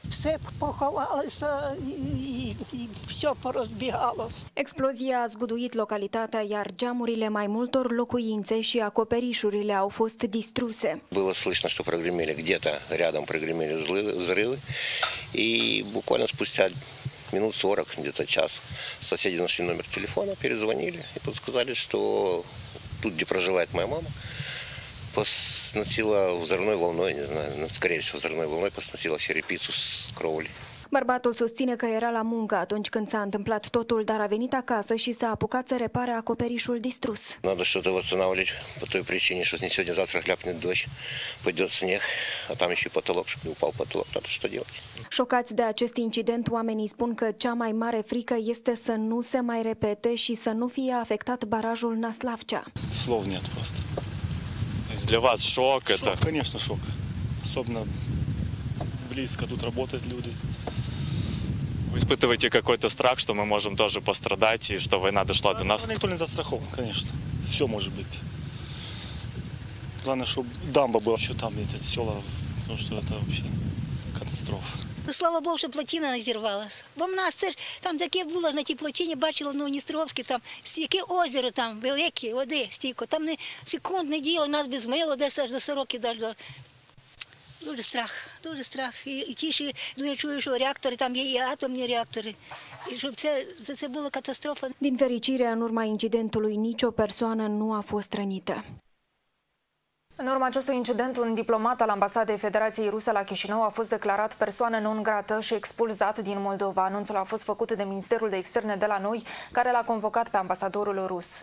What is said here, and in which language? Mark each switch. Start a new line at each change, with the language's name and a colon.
Ukrainian: Все поховалося и все порозбігалось.
Romanian: Explozia a zguduit localitatea, iar geamurile mai multor locuințe și acoperișurile au fost distruse.
Russian: Было слышно, что прогремели где-то рядом прогремели взрывы. И буквально спустя минут 40, где-то час, соседи нашли номер телефона, перезвонили и подсказали, что тут, где проживает моя мама, посносила взрывной волной, не знаю, скорее всего, взрывной волной посносила черепицу с кровли.
Romanian: Bărbatul susține că era la muncă atunci când s-a întâmplat totul, dar a venit acasă și s-a apucat să repare acoperișul distrus.
Russian: Надо что-то восстанавливать по той причине, что не сегодня, завтра хлябнет дождь, пойдет снег, а там еще потолок, чтобы не упал потолок, надо что делать.
Romanian: Șocați de acest incident, oamenii spun că cea mai mare frică este să nu se mai repete și să nu fie afectat barajul Наславча.
Russian: Слов нет просто. Для вас шок это? Шок, конечно, шок. Особенно близко тут работают люди. Вы испытываете какой-то страх, что мы можем тоже пострадать и что война дошла до нас? Никто не застрахован, конечно. Все может быть. Главное, чтобы дамба была еще там, где-то села, потому что это вообще катастрофа. Слава Богу, что плотина не взорвалась.
Ukrainian: Бо у нас це ж, там таке було на тій плотині, бачила, ну, Ністровське, там, яке озеро там, велике, води стільки. Там не секундне діло, нас би змило десь аж до 40 далі. Дуже страх, і ті, що я чую, що реактори, там є і атомні реактори. І щоб це була катастрофа.
Romanian: Din fericire, în urma incidentului, nicio persoană nu a fost rănită. În urma acestui incident, un diplomat al Ambasadei Federației Ruse la Chișinău a fost declarat persoană non grată și expulzat din Moldova. Anunțul a fost făcut de Ministerul de Externe de la noi, care l-a convocat pe ambasadorul rus.